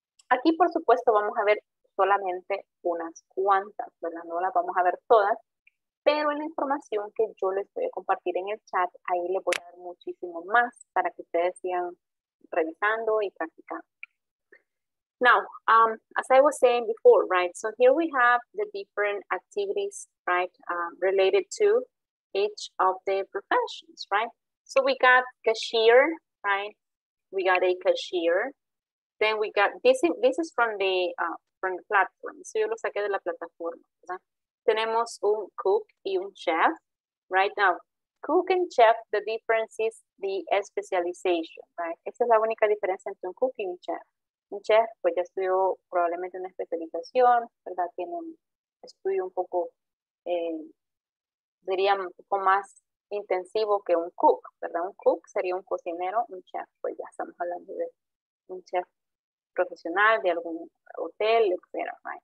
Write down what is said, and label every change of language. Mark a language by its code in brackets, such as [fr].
[es] Aquí, por supuesto, vamos a ver solamente unas cuantas, ¿verdad? No las vamos a ver todas, pero en la información que yo les voy a compartir en el chat, ahí les voy a dar muchísimo más para que ustedes sigan revisando y practicando. [en] Now, as I was saying before, right? So here we have the different activities, right? Related to each of the professions, right? So we got cashier, right? We got a cashier. Then we got, this is from the, platform. [es] So yo lo saqué de la plataforma, ¿verdad? Tenemos un cook y un chef. [en] Right now, cook and chef, the difference is the specialization, right? [es] Esa es la única diferencia entre un cook y un chef. Un chef, pues ya estudió probablemente una especialización, ¿verdad? Tiene un estudio un poco, diría un poco más intensivo que un cook, ¿verdad? Un cook sería un cocinero, un chef, pues ya estamos hablando de un chef profesional de algún hotel, etcétera, right?